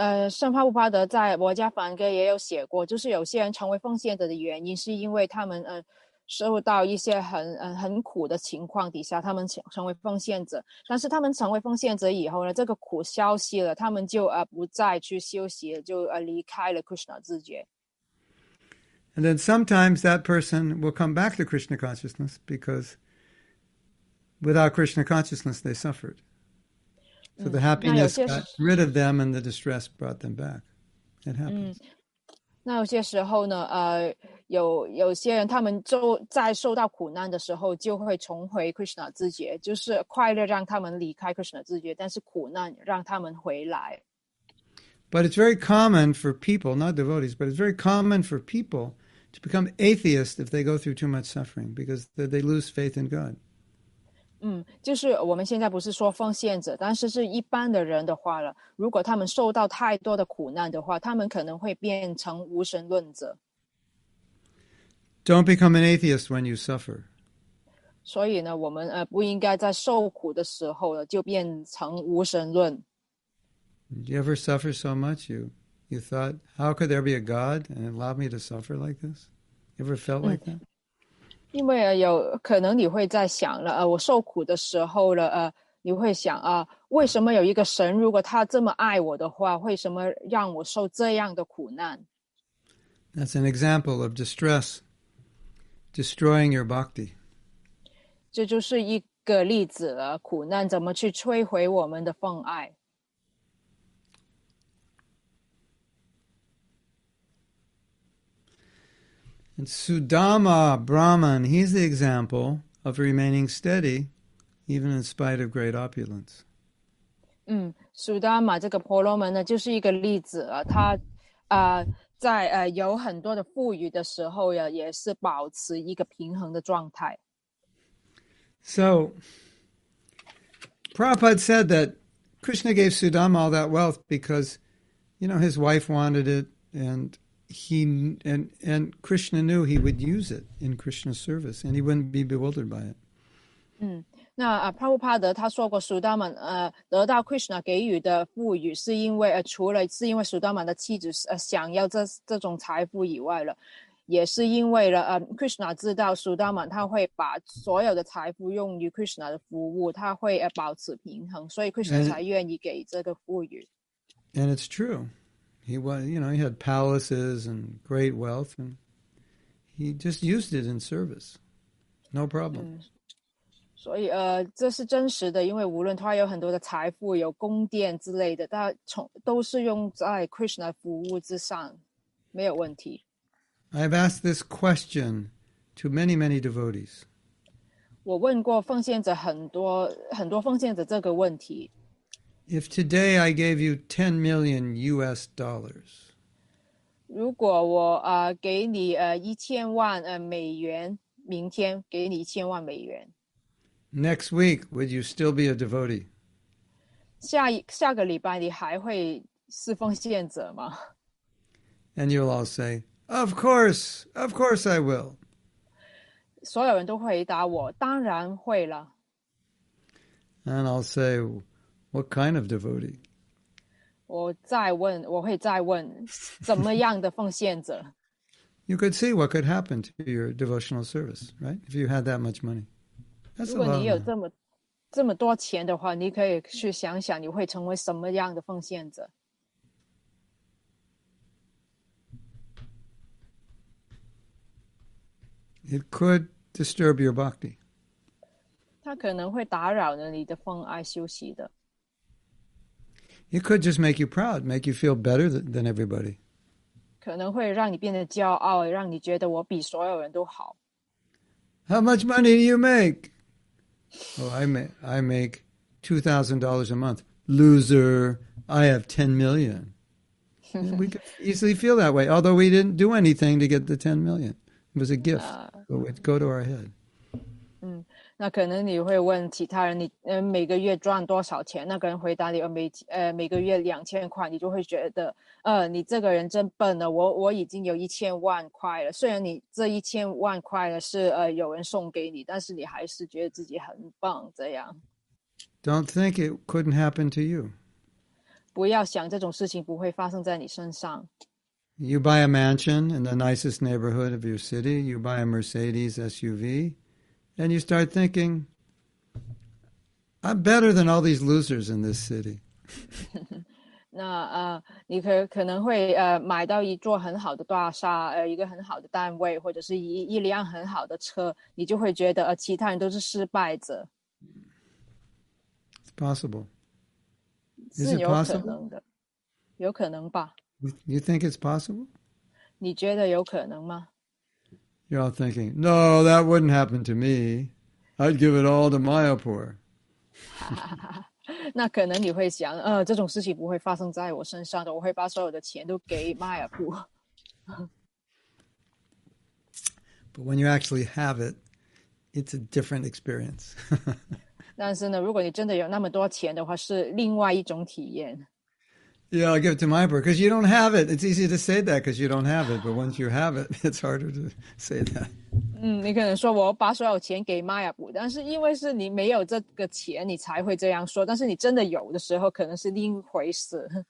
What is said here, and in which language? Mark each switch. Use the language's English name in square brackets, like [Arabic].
[Chinese] 圣帕布帕德在《摩迦梵歌》也有写过，就是有些人成为奉献者的原因是因为他们受到一些很苦的情况底下，他们成为奉献者。但是他们成为奉献者以后呢，这个苦消息了，他们就不再去休息，就离开了 Krishna 自觉。 [English] And then sometimes that person will come back to Krishna consciousness because without Krishna consciousness, they suffered. So the happiness got rid of them and the distress brought them back. It happens. [Chinese] 那有些时候呢有些人他们就在受到苦难的时候就会重回 Krishna 自觉，就是快乐让他们离开 Krishna 自觉，但是苦难让他们回来。 [English] But it's very common for people, not devotees, but it's very common for people to become atheists if they go through too much suffering because they lose faith in God. [Chinese] 就是我们现在不是说奉献者，但是是一般的人的话了，如果他们受到太多的苦难的话，他们可能会变成无神论者。 [English] Don't become an atheist when you suffer. [Chinese] 所以呢，我们不应该在受苦的时候就变成无神论。 [English] Did you ever suffer so much? You thought, how could there be a God and allow me to suffer like this? You ever felt like that? [Chinese] 因为有可能你会在想了我受苦的时候了你会想为什么有一个神如果他这么爱我的话为什么让我受这样的苦难 [English] That's an example of distress destroying your bhakti. [Chinese] 这就是一个例子了苦难怎么去摧毁我们的奉爱。 [English] And Sudama Brahman, he's the example of remaining steady, even in spite of great opulence. [Chinese] Sudama 这个婆罗门呢，就是一个例子了。他在有很多的富裕的时候呀，也是保持一个平衡的状态。 [English] So, Prabhupada said that Krishna gave Sudama all that wealth because, you know, his wife wanted it and. He and Krishna knew he would use it in Krishna's service, and he wouldn't be bewildered by it. [Chinese] 那Prabhupada 他说过 ，Sudama 得到 Krishna 给予的富裕，是因为除了是因为 Sudama 的妻子想要这种财富以外了，也是因为了Krishna 知道 Sudama 他会把所有的财富用于 Krishna 的服务，他会保持平衡，所以 Krishna 才愿意给这个富裕。 [English] And it's true. He was, you know, he had palaces and great wealth, and he just used it in service. No problem. [Chinese] So, 这是真实的，因为无论他有很多的财富，有宫殿之类的，他都是用在 Krishna 服务之上，没有问题。 [English] I've asked this question to many, many devotees. [Chinese] 我问过奉献者很多，很多奉献者这个问题。 [English] If today I gave you $10 million, [Chinese] 如果我给你一千万美元，明天给你一千万美元。 [English] Next week, would you still be a devotee? [Chinese] 下个礼拜你还会是奉献者吗 [English] And you'll all say, of course I will. [Chinese] 所有人都回答我，当然会了。 [English] And I'll say, what kind of devotee? [Chinese] 我再问，我会再问，怎么样的奉献者？ [English] You could see what could happen to your devotional service, right? If you had that much money. That's a lot of money. [Chinese] 如果你有这么多钱的话，你可以去想想你会成为什么样的奉献者。 [English] It could disturb your bhakti. [Chinese] 它可能会打扰了你的奉爱休息的。 [English] It could just make you proud, make you feel better than everybody. [Chinese] 可能会让你变得骄傲，让你觉得我比所有人都好。 [English] How much money do you make? Oh, I make $2,000 a month. Loser, I have 10 million. We could easily feel that way, although we didn't do anything to get the 10 million. It was a gift, but it'd go to our head. [Chinese] 那可能你会问其他人，你每个月赚多少钱？那个人回答你，每个月2000块，你就会觉得，你这个人真笨了。我已经有1000万块了，虽然你这1000万块呢是有人送给你，但是你还是觉得自己很棒。这样 [English] ，Don't think it couldn't happen to you. [Chinese] 不要想这种事情不会发生在你身上。 [English] You buy a mansion in the nicest neighborhood of your city. You buy a Mercedes SUV. And you start thinking, I'm better than all these losers in this city. [Chinese] 那你可能会买到一座很好的大厦，一个很好的单位，或者是一辆很好的车，你就会觉得其他人都是失败者。 [English] It's possible. Is it possible? [Chinese] 是有可能的，有可能吧。 [English] You think it's possible? [Chinese] 你觉得有可能吗？ [English] You're all thinking, no, that wouldn't happen to me. I'd give it all to Mayapur. [Chinese] 那可能你会想，这种事情不会发生在我身上的，我会把所有的钱都给 Mayapur。 [English] But when you actually have it, it's a different experience. [Chinese] 但是呢，如果你真的有那么多钱的话，是另外一种体验。 [English] Yeah, I'll give it to my poor, because you don't have it. It's easy to say that because you don't have it. But once you have it, it's harder to say that. [Chinese] 你可能说我把所有钱给 Maya 补，但是因为是你没有这个钱，你才会这样说。但是你真的有的时候，可能是另一回事。